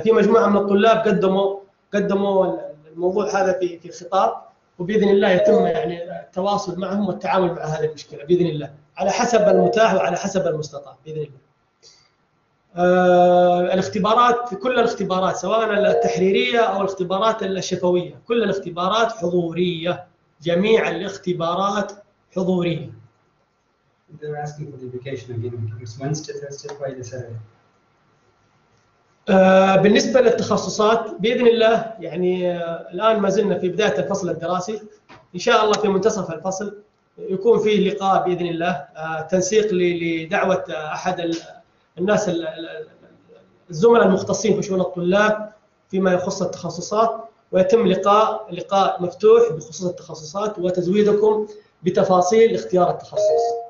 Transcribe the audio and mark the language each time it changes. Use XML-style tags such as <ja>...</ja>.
<ar>في مجموعة من الطلاب قدموا الموضوع هذا في الخطاب، وبإذن الله يتم يعني التواصل معهم والتعامل مع هذه المشكلة بإذن الله على حسب المتاح وعلى حسب المستطاع بإذن الله. الاختبارات، كل الاختبارات سواء التحريرية أو الاختبارات الشفوية، كل الاختبارات حضورية، جميع الاختبارات حضورية.</ar> <en>They're asking for the vacation again. It's Wednesday, Thursday, Friday, Saturday.</en> <ar>بالنسبة للتخصصات بإذن الله يعني الآن ما زلنا في بداية الفصل الدراسي، إن شاء الله في منتصف الفصل يكون فيه لقاء بإذن الله تنسيق لدعوة أحد الناس الزملاء المختصين في شؤون الطلاب فيما يخص التخصصات، ويتم لقاء مفتوح بخصوص التخصصات وتزويدكم بتفاصيل اختيار التخصص.</ar>